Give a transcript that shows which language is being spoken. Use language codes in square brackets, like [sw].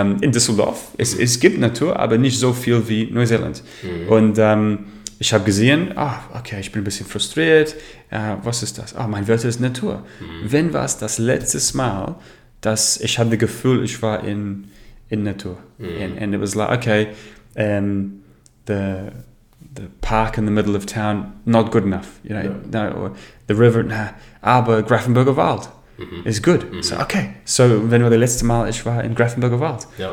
[de] And in Düsseldorf, es gibt Natur, aber nicht so viel wie Neuseeland. Und ich habe gesehen, ich bin ein bisschen frustriert. Was ist das? Mein Wert ist Natur. Wenn war es das letzte Mal, dass ich hatte das Gefühl, ich war in Natur. [en] And it was like, okay, the park in the middle of town, not good enough. Or the river, [de] aber [en] Grafenberger Wald is good. [de] So wenn war das letzte Mal, ich war in Grafenberger Wald?